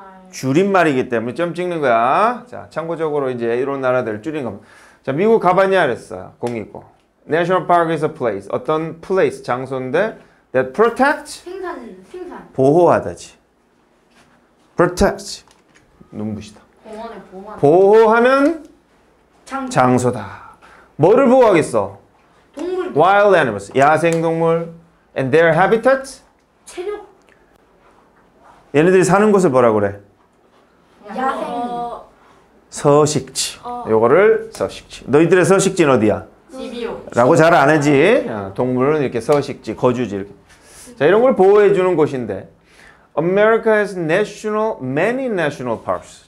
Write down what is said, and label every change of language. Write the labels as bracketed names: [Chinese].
[Korean] 줄임말이기 때문에 점 찍는 거야. 자, 참고적으로 이제 이런 나라들 줄인 겁니다. 자, 미국 가봤냐 그랬어. 공이고. [English] National Park is a place. [Korean] 어떤 place, 장소인데 [English] that protects? [Korean] 생산. 보호하다지. [English] Protect. [Korean] 눈부시다. 공원을 보호하는 장소다. 뭐를 보호하겠어? [English] Wild animals, 야생동물, and their habitat? [Korean] 체력. 얘네들이 사는 곳을 뭐라 그래? 야생. 서식지. 요거를 서식지. 너희들의 서식지는 어디야? 집이요. 라고 잘 아는지. 동물은 이렇게 서식지, 거주지. 이렇게. 자, 이런 걸 보호해주는 곳인데. [English] America has many national parks.